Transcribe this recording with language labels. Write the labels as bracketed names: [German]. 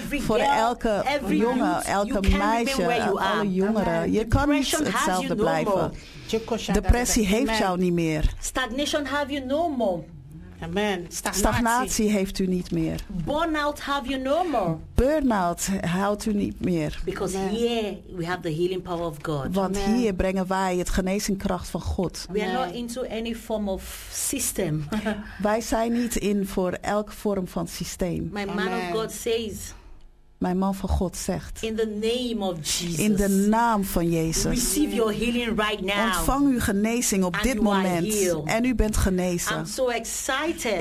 [Dutch] Voor elke jongen, elke meisje, alle jongeren. Je kan niet hetzelfde blijven. Depressie heeft jou niet meer. [English] Stagnation have you no more. Amen. [Dutch] Stagnatie heeft u niet meer. [English] Burnout have you no more. [Dutch] Burnout houdt u niet meer. [English] Because here we have the healing power of God. [Dutch] Want Amen. Hier brengen wij het genezingskracht van God. [English] We are not into any form of system. [Dutch] Wij zijn niet in voor elke vorm van systeem. [English] My man of God says. [Dutch] Mijn man van God zegt. [English] In the name of Jesus. [Dutch] In de naam van Jezus. [English] Receive your healing right now. [Dutch] Ontvang uw genezing op [English] And [Dutch] dit moment. En u bent genezen. [English] I'm so excited.